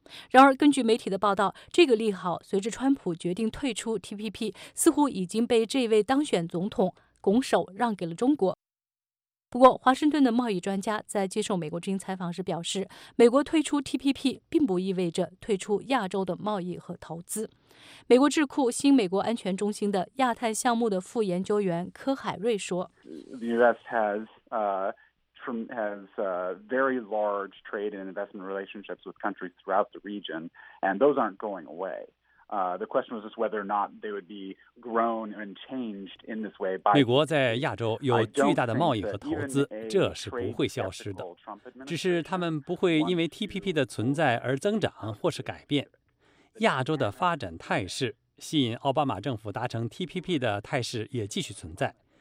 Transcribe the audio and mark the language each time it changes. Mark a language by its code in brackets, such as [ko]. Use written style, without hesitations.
[zh] 然而根据媒体的报道，这个利好随着川普决定退出 TPP 似乎已经被这位当选总统拱手让给了中国。不过华盛顿的贸易专家在接受美国之音采访时表示，美国退出 TPP 并不意味着退出亚洲的贸易和投资。美国智库新美国安全中心的亚太项目的副研究员柯海瑞说， [en] The US has very large trade and investment relationships with countries throughout the region, and those aren't going away. The question was just whether or not they would be grown and changed in this way by. [zh] 美国在亚洲有巨大的贸易和投资，这是不会消失的。只是他们不会因为 TPP 的存在而增长或是改变。亚洲的发展态势，吸引奥巴马政府达成 TPP 的态势也继续存在。